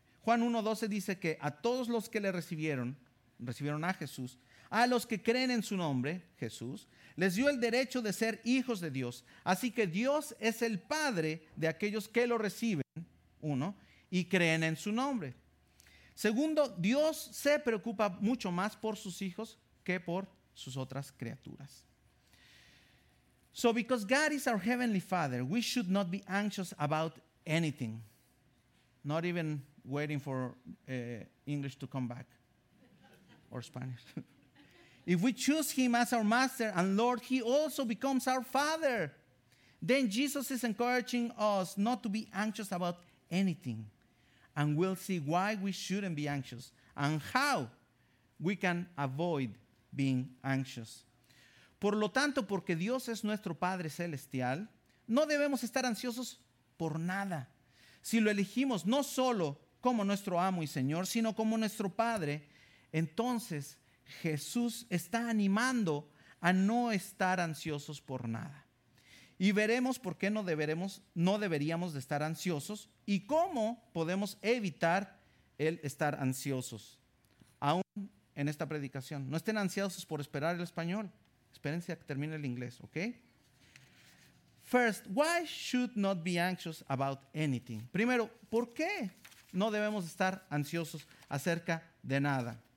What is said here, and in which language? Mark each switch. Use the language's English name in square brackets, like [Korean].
[Spanish] Juan 1:12 dice que a todos los que le recibieron a Jesús, a los que creen en su nombre, Jesús, les dio el derecho de ser hijos de Dios. Así que Dios es el Padre de aquellos que lo reciben, uno, y creen en su nombre. Segundo, Dios se preocupa mucho más por sus hijos que por sus otras criaturas. [English] So because God is our Heavenly Father, we should not be anxious about anything. Not even waiting for English to come back. Or Spanish. If we choose him as our master and Lord, he also becomes our father. Then Jesus is encouraging us not to be anxious about anything. And we'll see why we shouldn't be anxious and how we can avoid being anxious. [Spanish] Por lo tanto, porque Dios es nuestro Padre Celestial, no debemos estar ansiosos por nada. Si lo elegimos no solo como nuestro amo y Señor, sino como nuestro Padre, entonces Jesús está animando a no estar ansiosos por nada. Y veremos por qué no deberíamos de estar ansiosos y cómo podemos evitar el estar ansiosos. Aún en esta predicación, no estén ansiosos por esperar el español. Espérense a que termine el inglés, ¿ok? [English] First, why should not be anxious about anything? [Spanish] Primero, ¿por qué no debemos estar ansiosos acerca de nada?